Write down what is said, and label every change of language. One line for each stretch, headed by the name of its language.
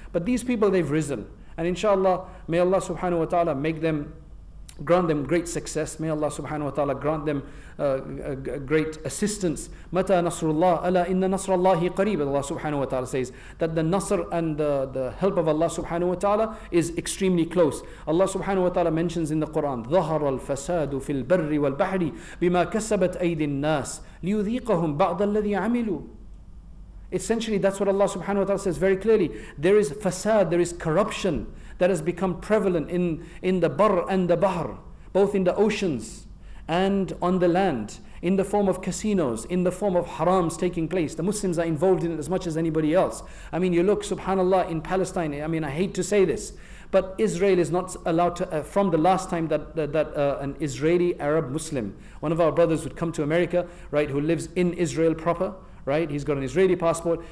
English: But these people, they've risen. And inshallah, may Allah subhanahu wa ta'ala grant them great success. May Allah subhanahu wa ta'ala grant them great assistance.
Arabic: Mata nasrullah, ala inna nasrullahi qareeb.
English: Allah subhanahu wa ta'ala says that the nasr and the help of Allah subhanahu wa ta'ala is extremely close. Allah subhanahu wa ta'ala mentions in the Quran,
Arabic: ظهر الفساد في البر والبحر بما كسبت أيدي الناس ليذيقهم بعض الذي عملوا.
English: Essentially, that's what Allah subhanahu wa ta'ala says very clearly. There is fasad, there is corruption that has become prevalent in the bar and the bahr, both in the oceans and on the land, in the form of casinos, in the form of harams taking place. The Muslims are involved in it as much as anybody else. I mean, you look, subhanAllah, in Palestine, I mean, I hate to say this, but Israel is not allowed to, from the last time that an Israeli Arab Muslim, one of our brothers would come to America, right, who lives in Israel proper, right, he's got an Israeli passport.